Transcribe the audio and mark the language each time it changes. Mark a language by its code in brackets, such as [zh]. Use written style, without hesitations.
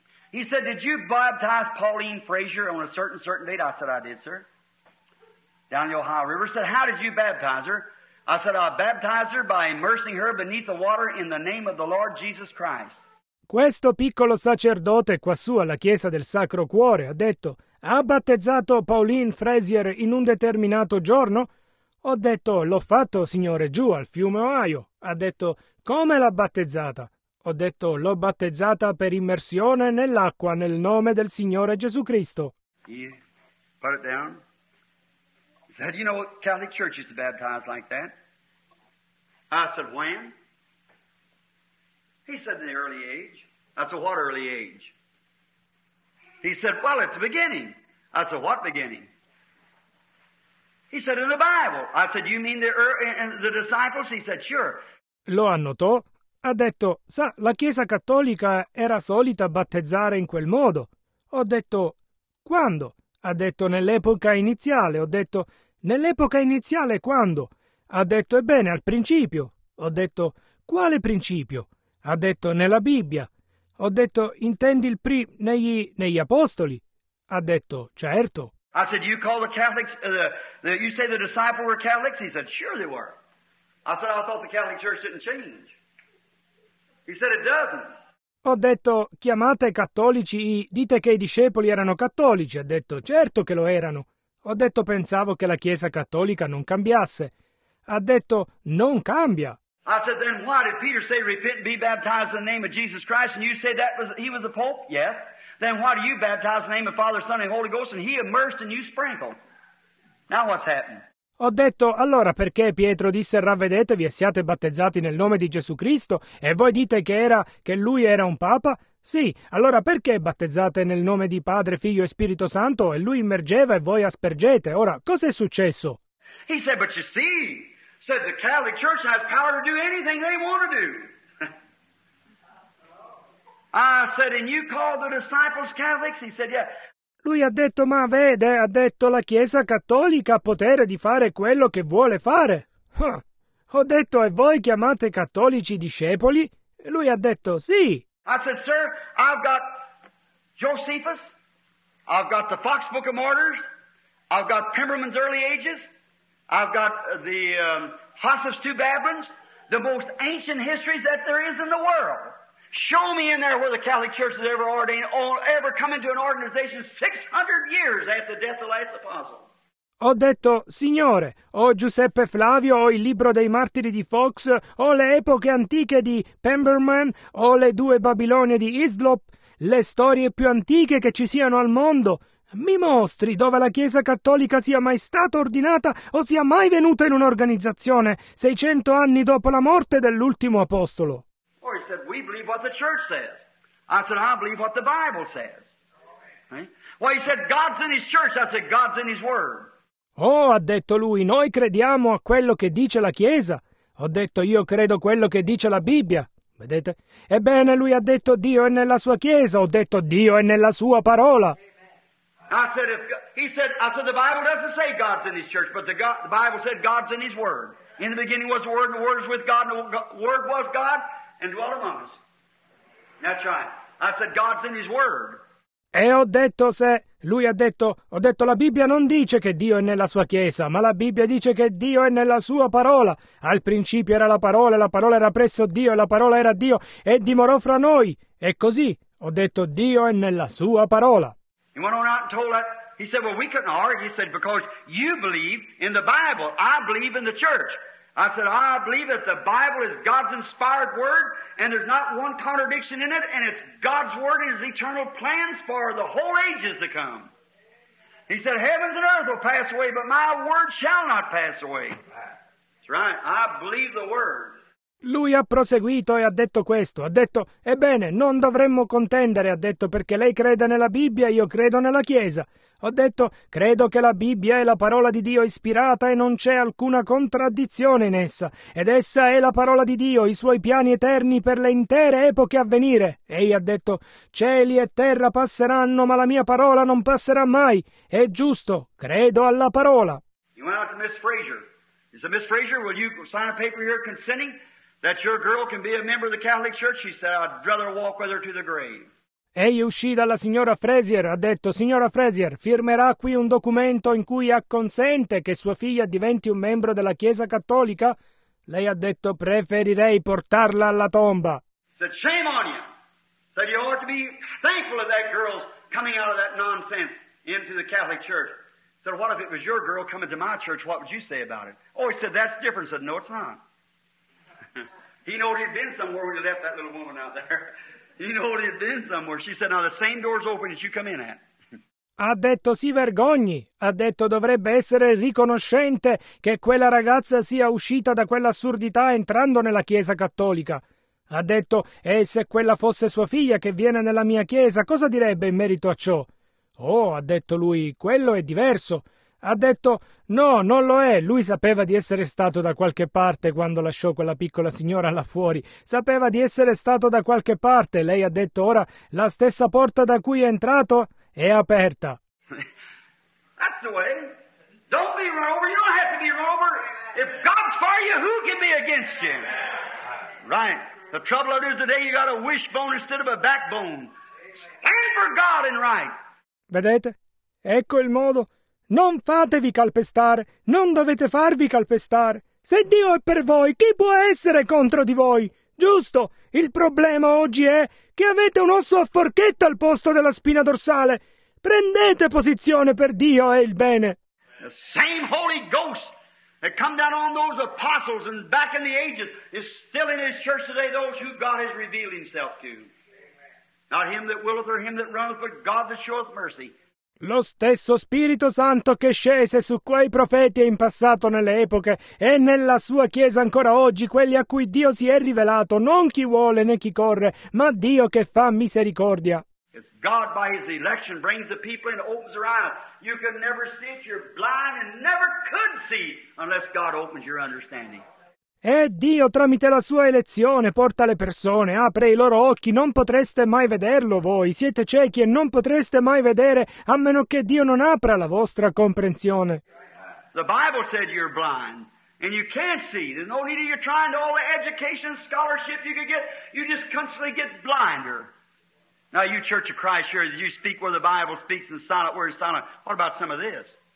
[en] He said, did you baptize Pauline Frazier on a certain date? I said, I did, sir. Down the Ohio River. He said, how did you baptize her? I said, I baptized her by immersing her beneath the water in the name of the Lord Jesus Christ. [it] Questo piccolo sacerdote quassù alla Chiesa del Sacro Cuore ha detto, ha battezzato Pauline Frazier in un determinato giorno? Ho detto, l'ho fatto, signore, giù al fiume Ohio. Ha detto, come l'ha battezzata? Ho detto, l'ho battezzata per immersione nell'acqua nel nome del Signore Gesù Cristo. [en] Put it down. Said, you know what Catholic Church is to baptize like that? I said, when? He said, in the early age. I said, what early age? He said, well, at the beginning. I said, what beginning? He said, in the Bible. I said, you mean the disciples? He said, sure. [it] Lo annotò. Ha detto, sa, la Chiesa Cattolica era solita battezzare in quel modo. Ho detto, quando? Ha detto, nell'epoca iniziale. Ho detto, nell'epoca iniziale quando? Ha detto, ebbene, al principio. Ho detto, quale principio? Ha detto, nella Bibbia. Ho detto, intendi il negli apostoli? Ha detto, certo. [en] I said, you call the Catholics, you say the disciples were Catholics? He said, sure they were. I said, I thought the Catholic Church didn't change. He said, it doesn't. [it] Ho detto, chiamate cattolici, dite che i discepoli erano cattolici. Ha detto, certo che lo erano. Ho detto, pensavo che la Chiesa cattolica non cambiasse. Ha detto, non cambia. [en] I said, then why did Peter say, repent and be baptized in the name of Jesus Christ, and you say that was he was the Pope? Yes. Then why do you baptize in the name of Father, Son, and Holy Ghost, and he immersed and you sprinkled? Now what's happened? [it] Ho detto, allora perché Pietro disse ravvedetevi e siate battezzati nel nome di Gesù Cristo? E voi dite che lui era un papa? Sì, allora perché battezzate nel nome di Padre, Figlio e Spirito Santo e lui immergeva e voi aspergete? Ora, cos'è successo? [en] He said, but you see, said the Catholic Church has power to do anything they want to do. I said, and you call the disciples Catholics? He said, yeah. [it] Lui ha detto, ma vede, ha detto, la Chiesa Cattolica ha potere di fare quello che vuole fare. Huh. Ho detto, e voi chiamate cattolici discepoli? E lui ha detto, sì. [en] I said, sir, I've got Josephus, I've got the Fox Book of Martyrs, I've got Pemberman's Early Ages, I've got the Hossa's Two Babylons, the most ancient histories that there is in the world. Show me in there where the Catholic Church has ever ordained or ever come into an organization 600 years after the death of the last apostle. [it] Ho detto, Signore, o Giuseppe Flavio, o il libro dei martiri di Fox, o le epoche antiche di Pemberman, o le due Babilonie di Islop, le storie più antiche che ci siano al mondo. Mi mostri dove la Chiesa Cattolica sia mai stata ordinata o sia mai venuta in un'organizzazione 600 anni dopo la morte dell'ultimo apostolo. [en] He said, we believe what the church says. I said, I believe what the Bible says. Right? Well, he said, God's in his church. I said, God's in his word. [it] Oh, ha detto lui, noi crediamo a quello che dice la Chiesa. Ho detto, io credo quello che dice la Bibbia. Vedete? Ebbene, lui ha detto, Dio è nella sua Chiesa. Ho detto, Dio è nella sua parola. [en] I said, I said, the Bible doesn't say God's in his church, but the Bible said God's in his word. In the beginning was the word, and the word was with God, and the word was God. And dwell among us. That's right. I said, God's in his word. [it] E ho detto se... Lui ha detto... Ho detto, la Bibbia non dice che Dio è nella sua Chiesa, ma la Bibbia dice che Dio è nella sua parola. Al principio era la parola era presso Dio, e la parola era Dio, e dimorò fra noi. E così, ho detto, Dio è nella sua parola. [en] He went on out and told that. He said, well, we couldn't argue. He said, because you believe in the Bible, I believe in the church. I said, I believe that the Bible is God's inspired word, and there's not one contradiction in it, and it's God's word and his eternal plans for the whole ages to come. He said, heavens and earth will pass away, but my word shall not pass away. That's right, I believe the word. [it] Lui ha proseguito e ha detto questo, ha detto, ebbene, non dovremmo contendere, ha detto, perché lei crede nella Bibbia e io credo nella Chiesa. Ho detto, credo che la Bibbia è la parola di Dio ispirata e non c'è alcuna contraddizione in essa. Ed essa è la parola di Dio, i suoi piani eterni per le intere epoche a venire. Egli ha detto, cieli e terra passeranno, ma la mia parola non passerà mai. È giusto, credo alla parola. [en] You went out to Miss Fraser. He said, Miss Fraser, will you sign a paper here consenting that your girl can be a member of the Catholic Church? She said, I'd rather walk with her to the grave. [it] Egli uscì dalla signora Frazier, ha detto, signora Frazier, firmerà qui un documento in cui acconsente che sua figlia diventi un membro della Chiesa Cattolica? Lei ha detto, preferirei portarla alla tomba. [en] Said, shame on you. Said, you ought to be thankful of that girl's coming out of that nonsense into the Catholic Church. Said, what if it was your girl coming to my church, what would you say about it? Oh, he said, that's different. Said, no, it's not. He knew he'd been somewhere when he left that little woman out there. You know what it is somewhere. She said, now the same door's open as you come in at. [it] Ha detto, si vergogni. Ha detto, dovrebbe essere riconoscente che quella ragazza sia uscita da quell'assurdità entrando nella Chiesa Cattolica. Ha detto, e se quella fosse sua figlia che viene nella mia chiesa, cosa direbbe in merito a ciò? Oh, ha detto lui, quello è diverso. Ha detto, no, non lo è. Lui sapeva di essere stato da qualche parte quando lasciò quella piccola signora là fuori. Sapeva di essere stato da qualche parte. Lei ha detto, ora, la stessa porta da cui è entrato è aperta. [en] That's the way. Don't be run over. You don't have to be run over. If God's for you, who can be against you? Right. The trouble of it is today you got a wishbone instead of a backbone. Stand for God and right. [it] Vedete? Ecco il modo. Non fatevi calpestare. Non dovete farvi calpestare. Se Dio è per voi, chi può essere contro di voi? Giusto? Il problema oggi è che avete un osso a forchetta al posto della spina dorsale. Prendete posizione per Dio e il bene. [en] The same Holy Ghost that come down on those apostles and back in the ages is still in his church today, those who God has revealed himself to. Not him that willeth or him that runneth, but God that showeth mercy. [it] Lo stesso Spirito Santo che scese su quei profeti in passato nelle epoche e nella sua Chiesa ancora oggi, quelli a cui Dio si è rivelato, non chi vuole né chi corre, ma Dio che fa misericordia. [en] It's God by his election brings the people and opens their eyes. You can never see it, you're blind and never could see unless God opens your understanding. [it] E Dio tramite la sua elezione porta le persone, apre i loro occhi, non potreste mai vederlo voi, siete ciechi e non potreste mai vedere a meno che Dio non apra la vostra comprensione. [en] The Bible said you're blind and you can't see. There's no need of you trying to all the education scholarship you could get. You just constantly get blinder. Now you Church of Christ, sure, you speak where the Bible speaks and silent where it's silent. What about some of this?